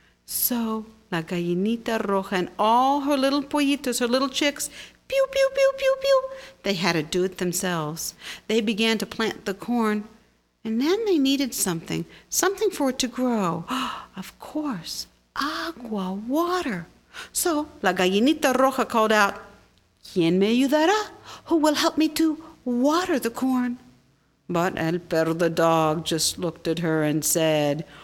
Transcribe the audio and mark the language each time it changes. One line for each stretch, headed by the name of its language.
English: So
Spanish: la gallinita roja
English: and all her little pollitos, her little chicks, pew, pew, pew, pew, pew, they had to do it themselves. They began to plant the corn, and then they needed something, something for it to grow. Of course, agua, water. So
Spanish: la gallinita roja
English: called out,
Spanish: ¿Quién me ayudará?
English: Who will help me to water the corn? But
Spanish: el perro
English: the dog just looked at her and said,